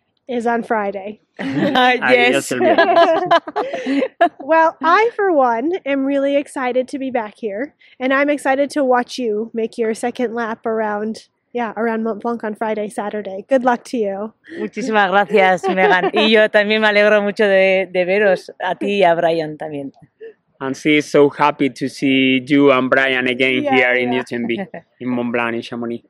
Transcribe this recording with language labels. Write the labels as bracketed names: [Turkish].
[English] is on Friday. Yes. Well, I, for one, am really excited to be back here, and I'm excited to watch you make your second lap around, around Mont Blanc on Friday, Saturday. Good luck to you. [Spanish] Muchísimas gracias, Megan. Y yo también me alegro mucho de veros a ti y a Brian también. [English] And she is so happy to see you and Brian again in UTMB, in Mont Blanc, in Chamonix.